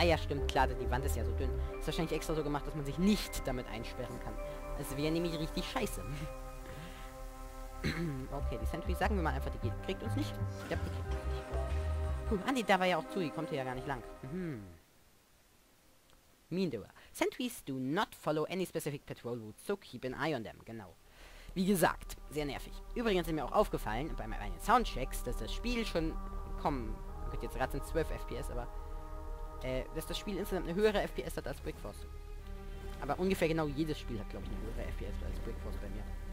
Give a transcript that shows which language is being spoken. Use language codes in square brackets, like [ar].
[de] Ah ja, stimmt, klar, die Wand ist ja so dünn. Ist wahrscheinlich extra so gemacht, dass man sich nicht damit einsperren kann. Das wäre nämlich richtig scheiße. Okay, die Sentry, sagen wir mal einfach, die kriegt uns nicht. Ich glaube, die kriegt uns nicht. Puh, Andi, da war ja auch zu, die kommt hier ja gar nicht lang. [en] Meanwhile, Sentries do not follow any specific patrol route, so keep an eye on them. [de] Genau. Wie gesagt, sehr nervig. Übrigens ist mir auch aufgefallen, bei meinen Soundchecks, dass das Spiel schon... Komm, man könnte jetzt raten, 12 FPS, aber... dass das Spiel insgesamt eine höhere FPS hat als Brickforce. Aber ungefähr genau jedes Spiel hat, glaube ich, eine höhere FPS als Brickforce bei mir.